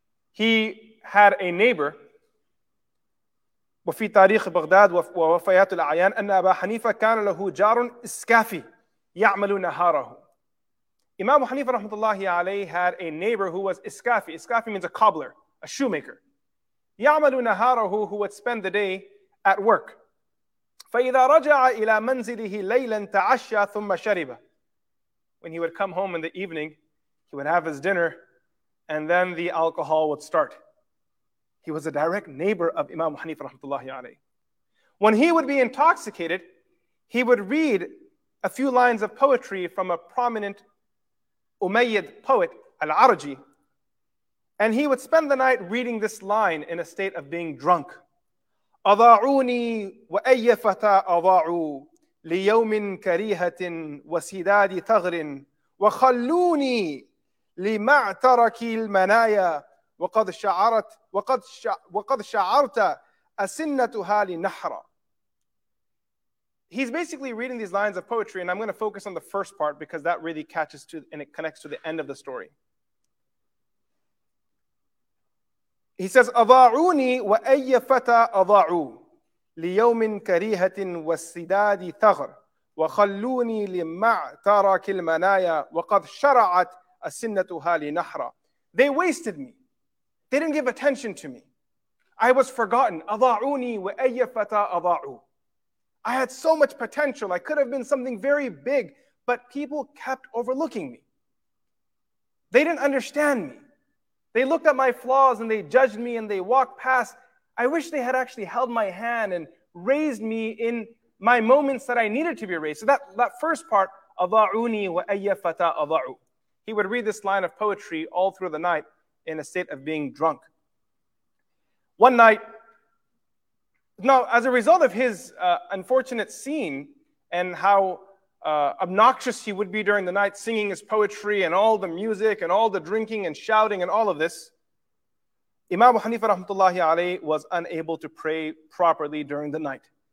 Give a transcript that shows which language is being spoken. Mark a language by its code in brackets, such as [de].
[en] He had a neighbor, [ar] وفي تاريخ بغداد ووفيات الأعيان أن أبا حنيفة كان له جار إسكافي يَعْمَلُ نَهَارَهُ. [en] Imam Hanifa rahmatullahi alayhi had a neighbor who was iskafi. Iskafi means a cobbler, a shoemaker. [ar] يَعْمَلُ نَهَارَهُ, [en] who would spend the day at work. [ar] فَإِذَا رَجَعَ إِلَى مَنْزِلِهِ لَيْلًا تَعَشَّى ثُمَّ شَرِبَ. [en] When he would come home in the evening, he would have his dinner, and then the alcohol would start. He was a direct neighbor of Imam Hanifa rahmatullahi alayhi. When he would be intoxicated, he would read a few lines of poetry from a prominent Umayyad poet, Al-Arji, and he would spend the night reading this line in a state of being drunk. [ar] أضاعوني وأي فتى أضاعوا ليوم كريهة وسداد ثغر وخلوني لما ترك المنايا وقد شعرت وقد شعرت أسنتها لنحرة. [en] He's basically reading these lines of poetry, and I'm going to focus on the first part because that really catches to and it connects to the end of the story. He says, [ar] أضاعوني وأي فتى أضاعوا ليوم كريهة والسداد ثغر وخلوني لما ترك المنايا وقد شرعت أسنتها لنحرة. [en] They wasted me. They didn't give attention to me. I was forgotten. [ar] أضاعوني وأي فتى أضاعوا. [en] I had so much potential. I could have been something very big, but people kept overlooking me. They didn't understand me. They looked at my flaws and they judged me and they walked past. I wish they had actually held my hand and raised me in my moments that I needed to be raised. So that first part, [ar] أضاعوني وأي فتى أضاعوا. [en] He would read this line of poetry all through the night in a state of being drunk. One night, now, as a result of his unfortunate scene and how obnoxious he would be during the night, singing his poetry and all the music and all the drinking and shouting and all of this, Imam Hanifa rahmatullahi alayhi was unable to pray properly during the night.